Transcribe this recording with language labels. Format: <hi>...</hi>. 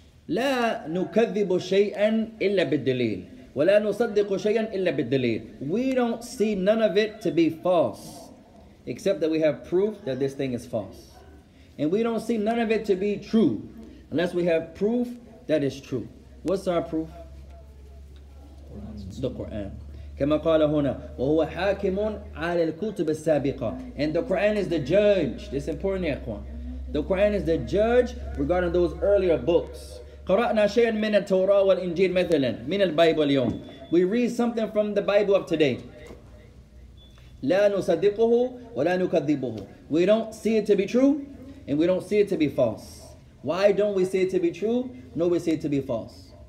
<ar>لا نكذب شيئا إلا بالدليل ولا نصدق شيئا إلا بالدليل.</ar> <en>We don't see none of it to be false, except that we have proof that this thing is false. And we don't see none of it to be true, unless we have proof that is true. What's our proof? The Quran.</en> <ar>كما قال هنا وهو حاكم على الكتب السابقة.</ar> <en>And the Quran is the judge. This is important, Ikhwan. The Quran is the judge regarding those earlier books.</en> <ar>قرأنا شيئا من التوراة والإنجيل مثلا من البيبل اليوم.</ar> <en>We read something from the Bible of today.</en> <ar>لا نصدقه ولا نكذبه.</ar> <en>We don't see it to be true and we don't see it to be false. Why don't we see it to be true? No, we see it to be false.</en>